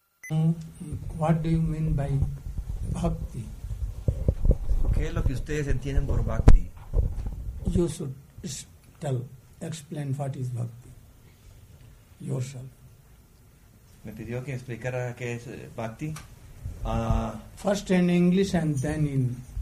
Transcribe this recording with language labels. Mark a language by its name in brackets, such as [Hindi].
[English] What do you mean by bhakti? [Spanish] ¿Qué es lo que ustedes entienden por bhakti? [English] You should tell, explain what is bhakti yourself. [Spanish] Me pidió que explicara qué es bhakti. [English] First in English and then in